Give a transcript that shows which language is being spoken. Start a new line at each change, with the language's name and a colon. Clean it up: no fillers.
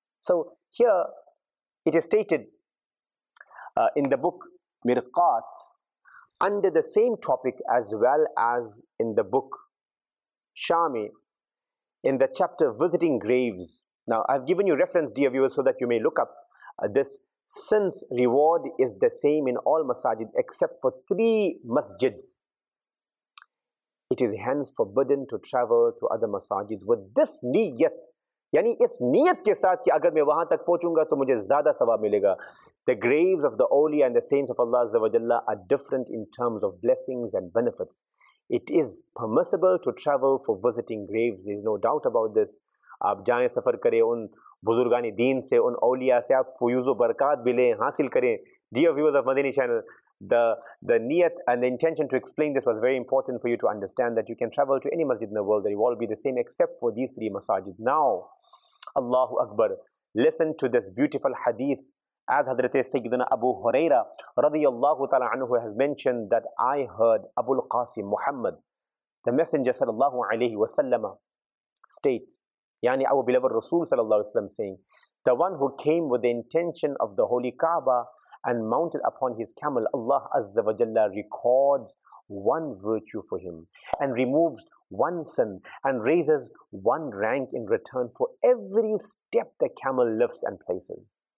English: So here it is stated in the book Mirqat under the same topic as well as in the book Shami in the chapter Visiting Graves. Now I've given you reference, dear viewers, so that you may look up this. Since reward is the same in all masajid except for three masjids, it is hence forbidden to travel to other masajid with this niyat
Urdu: یعنی اس نیت کے ساتھ کہ اگر میں وہاں تک پہنچوں گا تو مجھے زیادہ ثواب ملے گا.
English: The graves of the holy and the saints of Allah Azza wa Jalla are different in terms of blessings and benefits. It is permissible to travel for visiting graves. There is no doubt about this.
Urdu: آپ جائیں سفر کریں ان بزرگان دین سے ان اولیاء سے آپ fuse و برکات بھی لیں حاصل کریں.
English: Dear viewers of Madini channel, the niyat and the intention to explain this was very important for you to understand that you can travel to any masjid in the world, they will all be the same except for these three masajid. Now, Allahu Akbar, listen to this beautiful hadith. As Hadrat Sayyidina Abu Huraira radiyallahu ta'ala anhu has mentioned that I heard Abu al-Qasim Muhammad, the messenger sallallahu alayhi wa sallam, state, yani our beloved Rasul sallallahu alayhi wa sallam, saying, the one who came with the intention of the Holy Kaaba and mounted upon his camel, Allah Azza wa Jalla records one virtue for him and removes one sin and raises one rank in return for every step the camel lifts and places.